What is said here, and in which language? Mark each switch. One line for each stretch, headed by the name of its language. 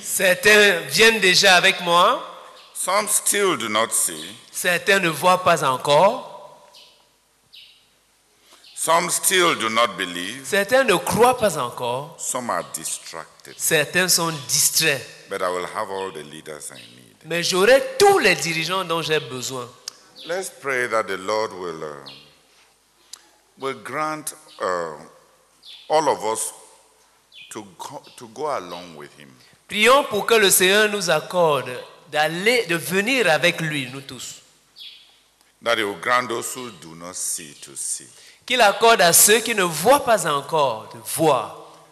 French: Certains viennent déjà avec moi.
English: Some still do not see.
French: Certains ne voient pas encore.
English: Some still do not believe.
French: Certains ne croient pas encore.
English: Some are distracted.
French: Certains sont distraits.
English: But I will have all the leaders I need.
French: Mais j'aurai tous les dirigeants dont j'ai besoin.
English: Let's pray that the Lord will grant all of us to go along with him.
French: Prions pour que le Seigneur nous accorde d'aller, de venir avec lui, nous tous.
English: That he will grant those who do not see to see.
French: Qu'il accorde à ceux qui ne voient pas encore de voir.